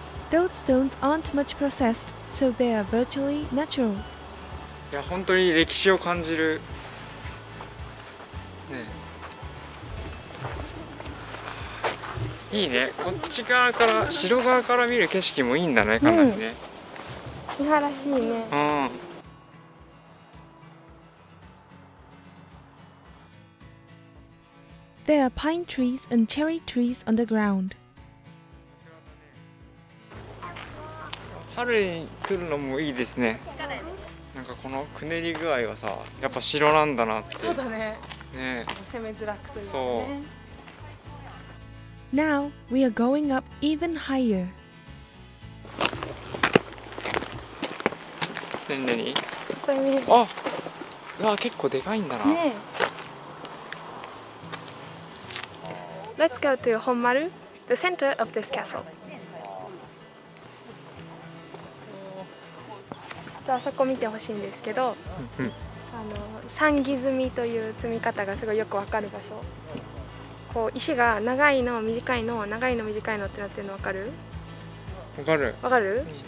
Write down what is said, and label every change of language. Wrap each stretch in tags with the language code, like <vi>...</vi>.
<en>Those stones aren't much processed, so they are virtually natural.</en> <ja>いや、本当に歴史を感じる。ね。いいね。こっち側から、城側から見る景色もいいんだね、かなりね。見晴らしいね。うん。</ja> <en>There are pine trees and cherry trees on the ground.</en> <ja>春に来るのもいいですね。なんかこのくねり具合はさ、やっぱ城なんだなって。そうだね。ね。攻めづらくというね。そう。</ja> <en>Now we are going up even higher.</en> <ja>何何？いっぱい見える。あ、うわ結構でかいんだな。ね。</ja> <en>Let's go to 本丸、the center of this castle.</en> <ja>あそこ見てほしいんですけど、うん、あの三義積みという積み方がすごいよくわかる場所。こう石が長いの短いの長いの短いのってなってるの分かる？分かる。分かる？</ja>